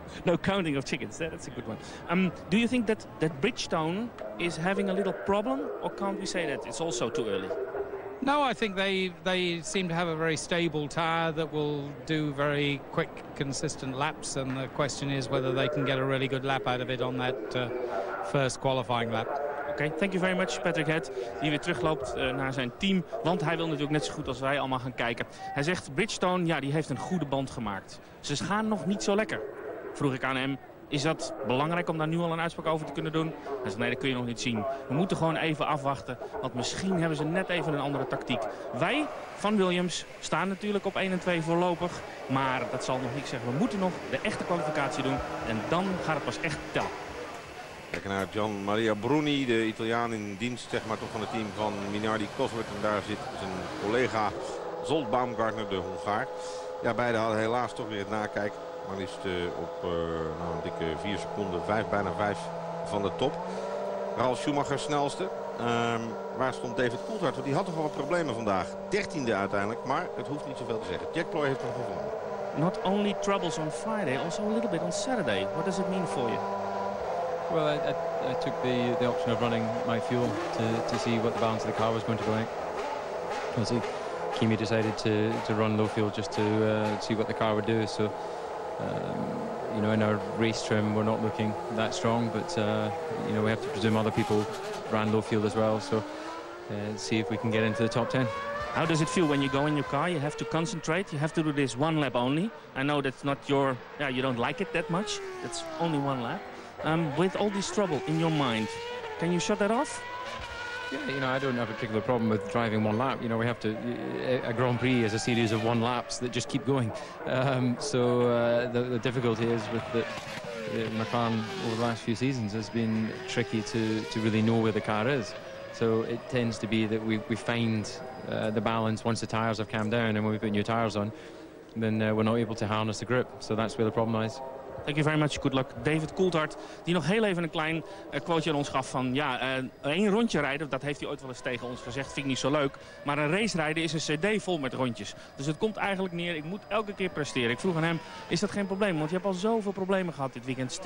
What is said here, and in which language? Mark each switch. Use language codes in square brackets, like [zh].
[en] No counting of chickens, that's a good one. Do you think that Bridgestone is having a little problem, or can't we say that it's also too early? No, I think they seem to have a very stable tyre that will do very quick, consistent laps, and the question is whether they can get a really good lap out of it on that first qualifying lap. Okay, thank you very much, [nl] Patrick Het, die weer terugloopt naar zijn team. Want hij wil natuurlijk net zo goed als wij allemaal gaan kijken. Hij zegt, Bridgestone, ja, die heeft een goede band gemaakt. Ze gaan nog niet zo lekker, vroeg ik aan hem. Is dat belangrijk om daar nu al een uitspraak over te kunnen doen? Hij zegt, nee, dat kun je nog niet zien. We moeten gewoon even afwachten, want misschien hebben ze net even een andere tactiek. Wij van Williams staan natuurlijk op 1 en 2 voorlopig. Maar dat zal nog niks zeggen. We moeten nog de echte kwalificatie doen. En dan gaat het pas echt tellen. Kijk naar Gian Maria Bruni, de Italiaan in dienst, zeg maar, toch van het team van Minardi Koswick. En daar zit zijn collega Zsolt Baumgartner, de Hongaar. Ja, beide hadden helaas toch weer het nakijk. Maar liefst op een dikke 4 seconden, bijna 5 van de top. Ralf Schumacher snelste. Waar stond David Coulthard? Want die had toch wel wat problemen vandaag. 13e uiteindelijk, maar het hoeft niet zoveel te zeggen. Jack Ploy heeft hem gevonden. [en] Not only troubles on Friday, also a little bit on Saturday. What does it mean for you? Well, I took the option of running my fuel to see what the balance of the car was going to be like. Obviously, Kimi decided to run low fuel just to see what the car would do. So, you know, in our race trim, we're not looking that strong. But, you know, we have to presume other people ran low fuel as well. So, see if we can get into the top 10. How does it feel when you go in your car? You have to concentrate. You have to do this one lap only. I know that's not your... Yeah, you don't like it that much. It's only one lap. With all this trouble in your mind, can you shut that off? Yeah, you know, I don't have a particular problem with driving one lap. You know, we have to... A Grand Prix is a series of one laps that just keep going. The difficulty is with the McLaren over the last few seasons has been tricky to really know where the car is. So it tends to be that we find the balance once the tyres have calmed down, and when we put new tyres on, then we're not able to harness the grip. So that's where the problem lies. Thank you very much. Good luck. [nl] David Coulthard, die nog heel even een klein quoteje aan ons gaf van... Ja, één rondje rijden, dat heeft hij ooit wel eens tegen ons gezegd, vind ik niet zo leuk. Maar een race rijden is een cd vol met rondjes. Dus het komt eigenlijk neer, ik moet elke keer presteren. Ik vroeg aan hem, is dat geen probleem? Want je hebt al zoveel problemen gehad dit weekend.